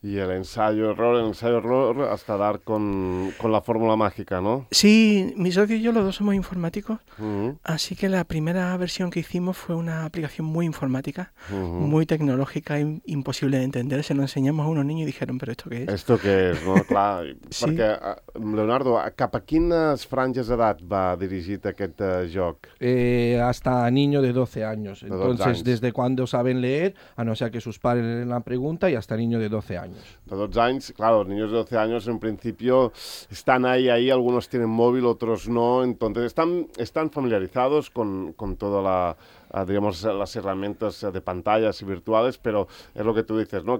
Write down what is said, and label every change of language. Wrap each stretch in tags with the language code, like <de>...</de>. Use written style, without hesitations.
<es>Y el ensayo-error, hasta dar con la fórmula mágica, ¿no? Sí, mi socio y yo los dos somos informáticos, uh-huh, así que la primera versión que hicimos fue una aplicación muy informática, uh-huh, muy tecnológica e imposible de entender. Se lo enseñamos a unos niños y dijeron, ¿pero esto qué es? ¿Esto qué es? No, claro, sí.</es> <ca>Porque, Leonardo, ¿cap a quines franges d'edat va dirigit aquest joc?</ca> <es>Hasta niño de 12 años. Entonces, desde cuando saben leer, a no ser que sus padres leen la pregunta, y hasta niños de 12 años. De 12 años, claro, los niños de 12 años en principio están ahí, ahí, algunos tienen móvil, otros no, entonces están familiarizados con toda la, digamos, las herramientas de pantallas y virtuales, pero es lo que tú dices, ¿no?</es>